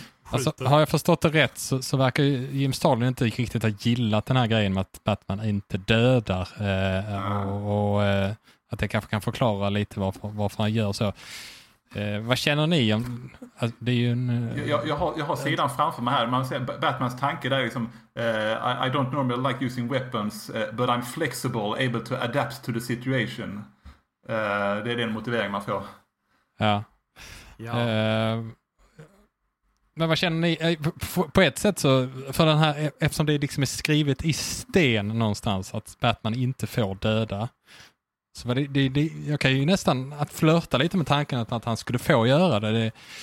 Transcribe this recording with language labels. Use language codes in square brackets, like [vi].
[sv] alltså, har jag förstått det rätt, så verkar Jim Starlin inte riktigt ha gillat den här grejen med att Batman inte dödar. Och att det kanske kan förklara lite varför han gör så. Vad känner ni om alltså, det är ju en, jag har sidan framför mig här. Man ser Batmans tanke där liksom, [en] I don't normally like using weapons, but I'm flexible, able to adapt to the situation. [sv] Det är den motivering man får. Ja. Ja. Men vad känner ni på ett sätt så för den här, eftersom det liksom är skrivet i sten någonstans att Batman inte får döda. Så det, jag kan ju nästan att flörta lite med tanken att han skulle få göra det.